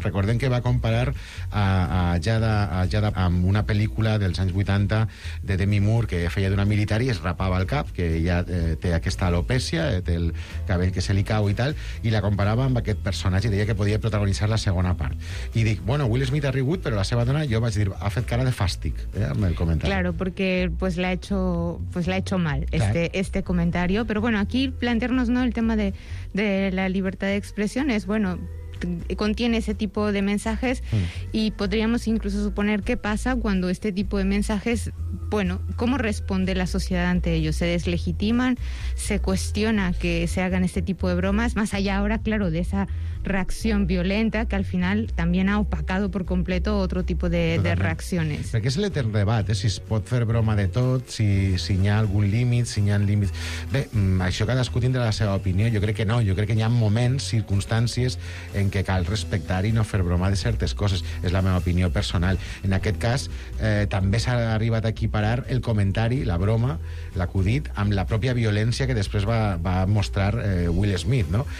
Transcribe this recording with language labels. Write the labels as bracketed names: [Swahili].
[Catalan] Recordem que va comparar a Jada amb una pel·lícula dels anys 80 de Demi Moore, que feia d'una militar i es rapava el cap, que ella té aquesta alopècia, té el cabell que se li cau i tal, i la comparava amb aquest personatge i deia que podia protagonitzar la segona part. I dic, bueno, Will Smith ha rigut, però la seva dona, jo vaig dir, ha fet cara de fàstic, amb el comentari. [Spanish] Claro, porque pues la ha hecho mal este comentario, pero bueno, aquí plantearnos, ¿no?, el tema de la libertad de expresión es bueno, contiene ese tipo de mensajes y podríamos incluso suponer qué pasa cuando este tipo de mensajes, bueno, ¿cómo responde la sociedad ante ellos? ¿Se deslegitiman? ¿Se cuestiona que se hagan este tipo de bromas? Más allá ahora, claro, de esa reacción violenta que al final también ha opacado por completo otro tipo de reacciones. [Catalan] Perquè és l'etern debat, si es pot fer broma de tot, si hi ha algun límit, si hi ha límits... Bé, això cadascú tindrà la seva opinió, jo crec que no, jo crec que hi ha moments, circumstàncies en què cal respectar i no fer broma de certes coses. És la meva opinió personal. En aquest cas, també s'ha arribat a equiparar el comentari, la broma, l'acudit, amb la pròpia violència que després va mostrar Will Smith, no?